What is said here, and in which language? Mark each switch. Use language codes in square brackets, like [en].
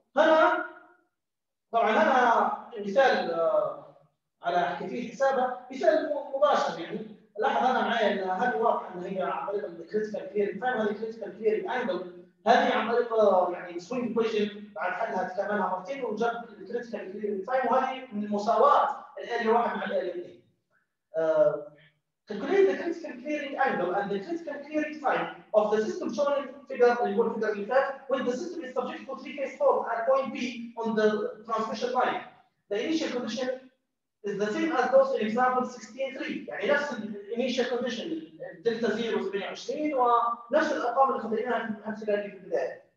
[ar] هنا طبعا هنا مثال على كيفيه حسابها، مثال مباشر يعني لاحظ انا معايا ان هذه واضحه ان هي عن طريق الكريتيكال كليرنج تايم، هذه كريتيكال كليرنج انجل، هذه عن طريق يعني سوينج كويشن بعد حلها تكملها مرتين وجاب الكريتيكال كليرنج تايم، وهذه من المساواه الاليه واحد مع الاليه اثنين. [en] Calculate the critical clearing angle and the critical clearing time of the system shown in figure when the system is subjected to three-phase fault at point B on the transmission line. The initial condition is the same as those in example 16.3. [ar] يعني نفس initial condition delta 0 28 ونفس الأرقام اللي خدناها في الأمثلة اللي في البداية.